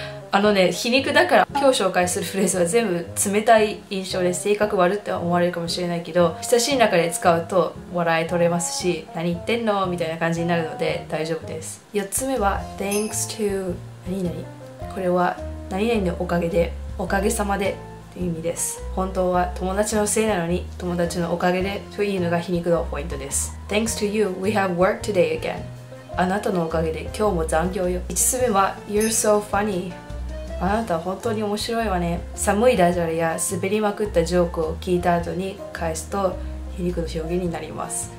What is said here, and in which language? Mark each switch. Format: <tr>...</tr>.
<ja>あのね、皮肉だから今日紹介するフレーズは全部冷たい印象で性格悪って思われるかもしれないけど、親しい中で使うと笑い取れますし、何言ってんのみたいな感じになるので大丈夫です。 4つ目は</ja> <en>Thanks to</en> <ja>何々、これは何々のおかげで、おかげさまでという意味です。本当は友達のせいなのに友達のおかげでというのが皮肉のポイントです。</ja> <en>Thanks to you, we have work today again。</en> <ja>あなたのおかげで今日も残業よ。 5つ目は</ja> <en>You're so funny。</en> <ja>あなた本当に面白いわね。寒いダジャレや滑りまくったジョークを聞いた後に返すと皮肉の表現になります。</ja>